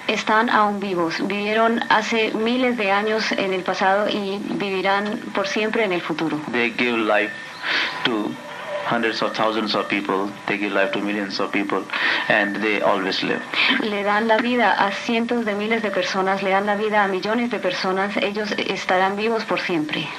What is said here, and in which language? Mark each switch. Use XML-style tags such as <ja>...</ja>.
<es>Están aún vivos. Vivieron hace miles de años en el pasado y vivirán por siempre en el futuro.</es> <en>They give life to hundreds of thousands of people, they give life to millions of people, and they always live.</en> <es>Le dan la vida a cientos de miles de personas, le dan la vida a millones de personas, ellos estarán vivos por siempre.</es>